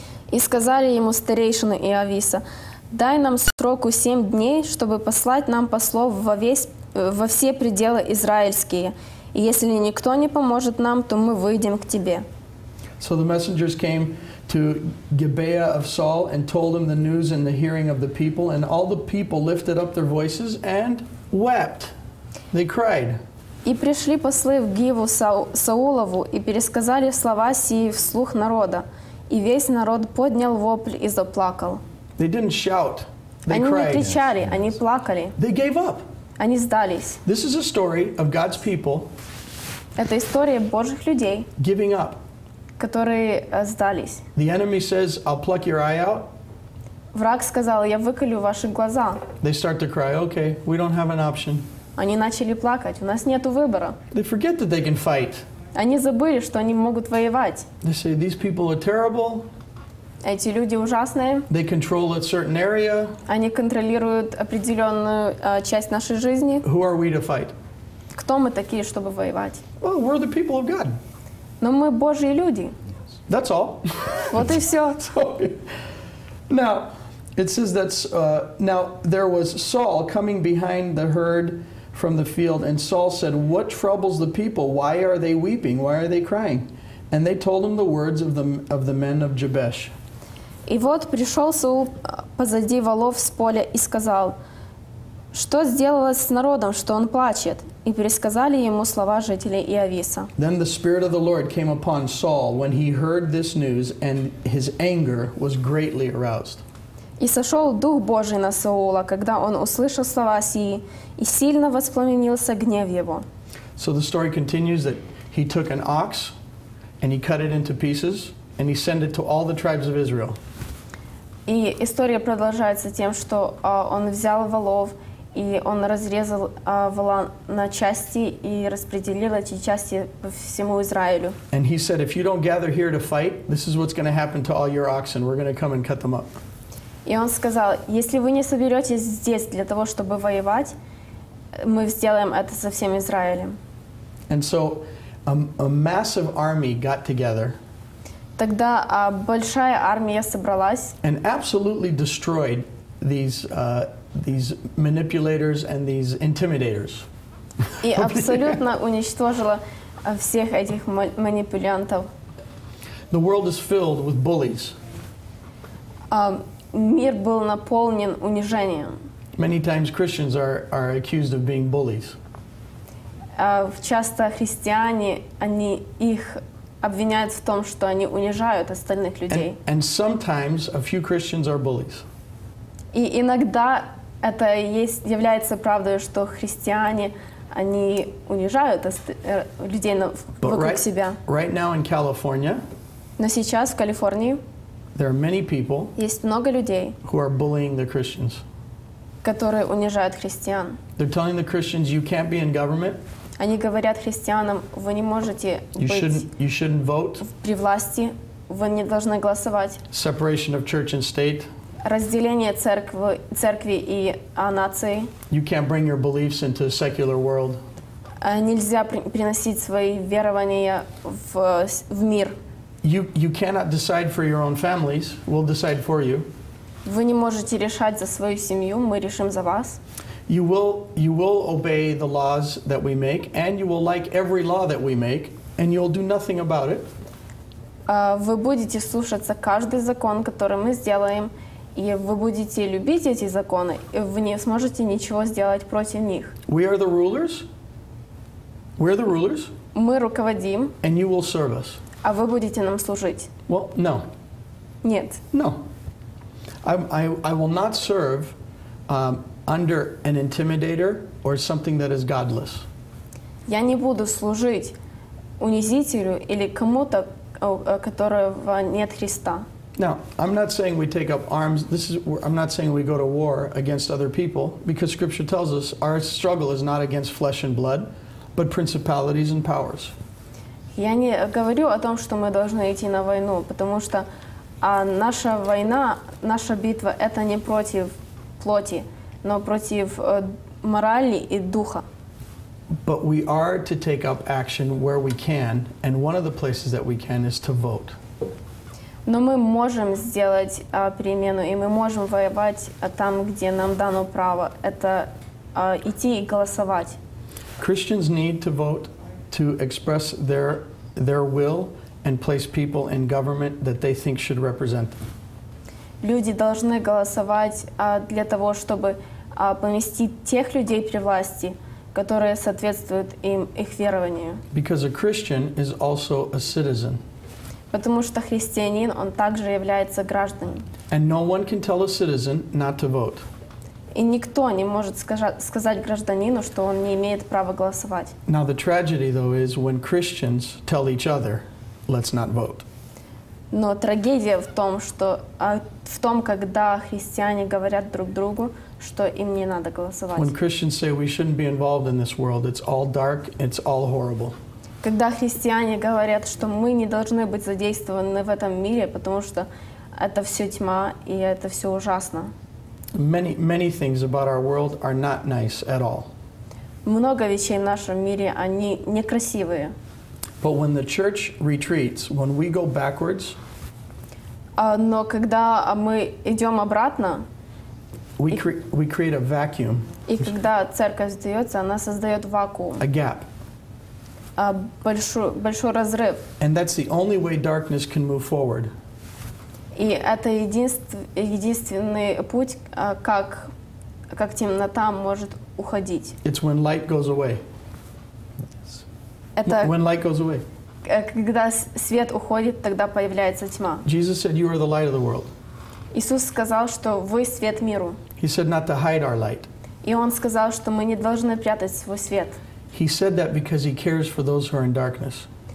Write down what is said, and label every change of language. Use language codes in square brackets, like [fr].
[uk] І сказали йому старейшини і Авіса, дай нам сроку 7 дней, щоб послати нам послов во всі пределы ізраїльські. І якщо ніхто не поможе нам, то ми вийдемо к тебе. [en] So the messengers came to Gibeah of Saul and told him the news in the hearing of the people, and all the people lifted up their voices and wept. They cried. [uk] І прийшли посли в Гиву Саулову і пересказали слова сії вслух народу, і весь народ підняв вопль і заплакав. [en] They didn't shout. They cried. [uk] не кричали, вони плакали. [en] They gave up. [uk] Вони здались. [en] This is a story of God's people. [ru] Это история Божих людей. [en] Giving up. [ru] Которые сдались. [en] The enemy says, I'll pluck your eye out. [ru] Враг сказал, я выколю ваши глаза. [en] They start to cry, okay, we don't have an option. [ru] Они начали плакать, у нас нету выбора. [en] They forget that they can fight. [ru] Они забыли, что они могут воевать. [en] They say, these people are terrible. [ru] Эти люди ужасные. [en] They control a certain area. [ru] Они контролируют определенную часть нашей жизни. [en] Who are we to fight? [ru] Кто мы такие, чтобы воевать? [en] Well, we're the people of God. [ru] Но мы Божьи люди. [en] That's all. [ru] Вот и все. [en] Now, it says that now there was Saul coming behind the herd from the field, and Saul said, "What troubles the people? Why are they weeping? Why are they crying?" And they told him the words of the men of Jabesh. [ru] И вот пришел Саул позади волов с поля и сказал, что сделалось с народом, что он плачет? и пересказали ему слова жителей Иависа. [en] Then the Spirit of the Lord came upon Saul when he heard this news, and his anger was greatly aroused. [ru] И сошел Дух Божий на Саула, когда он услышал слова сии, и сильно воспламенился гнев его. [en] So the story continues that he took an ox, and he cut it into pieces, and he sent it to all the tribes of Israel. [ru] И история продолжается тем, что он взял волов, и он разрезал вола на части и распределил эти части по всему Израилю. [en] And he said, if you don't gather here to fight, this is what's going to happen to all your oxen. We're going to come and cut them up. [ru] И он сказал, если вы не соберетесь здесь для того, чтобы воевать, мы сделаем это со всем Израилем. [en] And so a massive army got together. [ru] Тогда большая армия собралась. [en] And absolutely destroyed these manipulators and these intimidators. [ru] И абсолютно уничтожила всех этих манипулянтов. [en] The world is filled with bullies. [ru] Мир был наполнен унижением. [en] Many times Christians are accused of being bullies. [ru] Часто христиане, они их обвиняют в том, что они унижают остальных людей. [en] And sometimes a few Christians are bullies. [ru] И иногда это есть, является правдой, что христиане, они унижают людей вокруг себя. [en] Right now in California. [ru] Но сейчас в Калифорнии. [en] There are many people. [ru] Есть много людей. [en] Who are bullying the Christians. [ru] Которые унижают христиан. [en] They're telling the Christians, you can't be in government. [ru] Они говорят христианам, вы не можете [en] you shouldn't vote. [ru] При власти, вы не должны голосовать. [en] Separation of church and state. [ru] Разделение церкви и нации. [en] You can't bring your beliefs into a secular world. [ru] Нельзя приносить свои верования в мир. [en] You cannot decide for your own families. We'll decide for you. [ru] Вы не можете решать за свою семью, мы решим за вас. [en] You will obey the laws that we make, and you will like every law that we make, and you'll do nothing about it. [ru] Вы будете слушаться каждый закон, который мы сделаем, и вы будете любить эти законы, и вы не сможете ничего сделать против них. [en] We are the rulers. We're the rulers. [ru] Мы руководим. [en] And you will serve us. [ru] А вы будете нам служить? [en] Well, no. [ru] Нет. [en] No. I will not serve under an intimidator or something that is godless. [ru] Я не буду служить унизителю или кому-то, которого нет Христа. [en] Now, I'm not saying we take up arms. I'm not saying we go to war against other people, because Scripture tells us our struggle is not against flesh and blood, but principalities and powers. [ru] Я не говорю о том, что мы должны идти на войну, потому что наша война, наша битва — это не против плоти, но против морали и духа. [en] But we are to take up action where we can, and one of the places that we can is to vote. [ru] Но мы можем сделать перемену, и мы можем воевать там, где нам дано право. Это идти и голосовать. [en] Christians need to vote to express their will and place people in government that they think should represent them. [ru] Люди должны голосовать для того, чтобы поместить тех людей при власти, которые соответствуют им их верованию. [en] Because a Christian is also a citizen. [ru] Потому что христианин, он также является гражданином. [en] And no one can tell a citizen not to vote. [ru] И никто не может сказать гражданину, что он не имеет права голосовать. [en] Now the tragedy, though, is when Christians tell each other, "Let's not vote." [ru] Но трагедия в том, что в том, когда христиане говорят друг другу, что им не надо голосовать. [en] When Christians say we shouldn't be involved in this world, it's all dark, it's all horrible. [ru] Когда христиане говорят, что мы не должны быть задействованы в этом мире, потому что это все тьма и это все ужасно. [en] Many things about our world are not nice at all. [ru] Много вещей в нашем мире, они некрасивые. [en] But when the church retreats, when we go backwards, [ru] но когда мы идем обратно, [en] we create a vacuum. [ru] И когда церковь сдается, она создает вакуум. [en] A gap. [ru] Большой разрыв. [en] And that's the only way darkness can move forward. [ru] И это единственный путь, как темнота может уходить. [en] It's when light goes away. Это when light goes away. [ru] Когда свет уходит, тогда появляется тьма. [en] Jesus said, "You are the light of the world." [ru] Иисус сказал, что вы свет миру. [en] He said not to hide our light. [ru] И он сказал, что мы не должны прятать свой свет. [en] He said that because he cares for those who are in darkness.